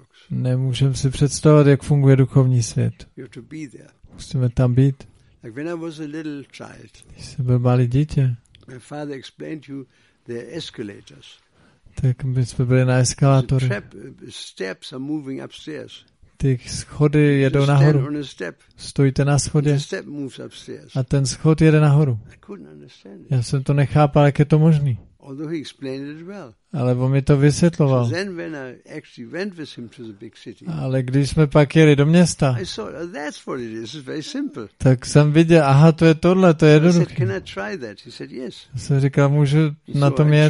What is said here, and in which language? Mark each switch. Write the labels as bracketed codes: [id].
[cs] Nemůžeme si představit, jak funguje duchovní svět. Musíme tam být. [en] Like when I was a little child, [cs] malé dítě, [en] my father explained to you the escalators. [cs] Tak my jsme byli na eskalátory. [en] Steps are moving upstairs. [cs] Ty schody jedou nahoru. Stojíte na schodě. [en] Step moves upstairs. [cs] A ten schod jede nahoru. [en] I couldn't understand it. [cs] Já jsem to nechápal, jak je to možný. [en] Although he explained it well. [cs] Ale on mi to vysvětloval. [en] Then when I actually went with him to the big city. [cs] Ale když jsme pak jeli do města. [en] I saw that's what it is. It's very simple. [cs] Tak jsem viděl, aha, to je tohle, to je jednoduché. [en] I said, can I try that? He said, yes. [cs] Jsem říkal, můžu na tom jet.